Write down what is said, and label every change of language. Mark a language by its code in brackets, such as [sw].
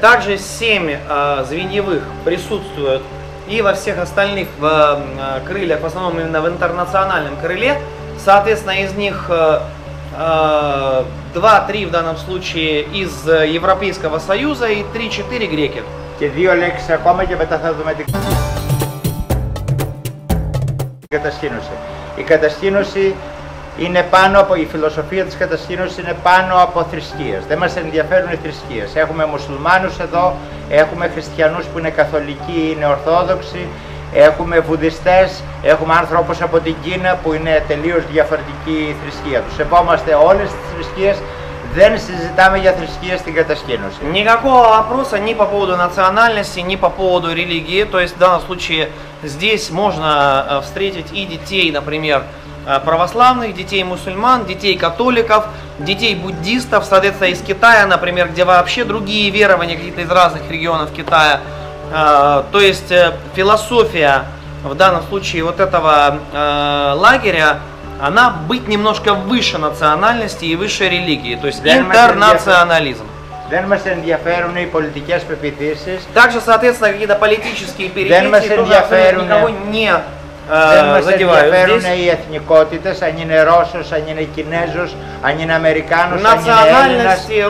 [ru] Также 7 звеньевых присутствуют и во всех остальных крыльях, в основном именно в интернациональном крыле. Соответственно, из них 2-3 в данном случае из Европейского Союза и 3-4 греки. [el] Και 2 λέξεις ακόμα και μετά θα δούμε την κατασκήνωση. Η κατασκήνωση είναι πάνω από, η φιλοσοφία της κατασκήνωσης είναι πάνω από θρησκείες. Δεν μας ενδιαφέρουν οι θρησκείες. Έχουμε μουσουλμάνους εδώ, έχουμε χριστιανούς που είναι καθολικοί, είναι ορθόδοξοι, έχουμε βουδιστές, έχουμε άνθρωπους από την Κίνα που είναι τελείως διαφορετική η θρησκεία τους. Σεβόμαστε όλες τις θρησκείες, δεν συζητάμε για θρησκείες στην κατασκήνωση. [ru] Никакого вопроса ни по поводу национальности, ни по поводу религии. То есть в данном случае здесь можно встретить и детей, например, православных, детей мусульман, детей католиков, детей буддистов, соответственно, из Китая, например, где вообще другие верования какие-то из разных регионов Китая. То есть философия в данном случае вот этого лагеря, она быть немножко выше национальности и выше религии, то есть интернационализм. [el] Δεν μας ενδιαφέρουν οι πολιτικές πεπιθήσεις. [ru] Также, соответственно, какие-то политические перипетии. [el] Δεν μας ενδιαφέρουν οι εθνικότητες, αν είναι Ρώσος, αν είναι Κινέζος, αν είναι Αμερικάνος, αν είναι Έλληνας.